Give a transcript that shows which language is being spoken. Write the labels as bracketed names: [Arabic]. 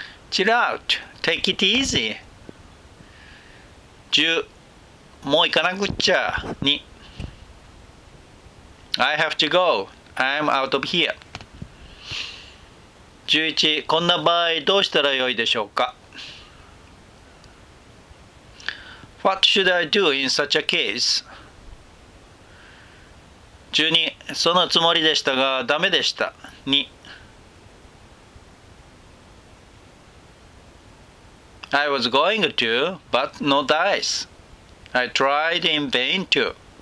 [English] Chill out. Take it easy. 10. [Japanese] もう行かなくっちゃ。2. [English] I have to go. I'm out of here. 11. [Japanese] こんな場合どうしたらよいでしょうか。 [English] What should I do in such a case? 12. [Japanese] そのつもりでしたがダメでした。 [English] 2. I was going to, but no dice. I tried in vain to.